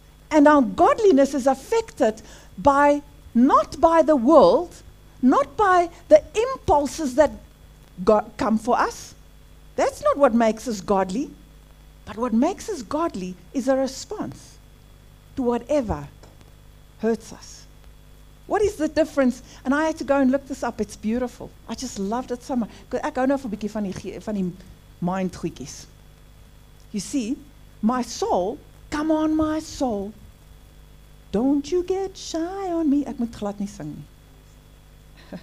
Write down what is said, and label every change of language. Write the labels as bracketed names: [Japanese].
[English] And our godliness is affected by, not by the world, not by the impulses that come for us. That's not what makes us godly. But what makes us godly is a response to whatever hurts us. What is the difference? And I had to go and look this up. It's beautiful. I just loved it so much. [Afrikaans] Ek hou nou van 'n bietjie van die mind goedjies. [English] You see, my soul, come on my soul. Don't you get shy on me. [Afrikaans] Ek moet glad nie sing nie.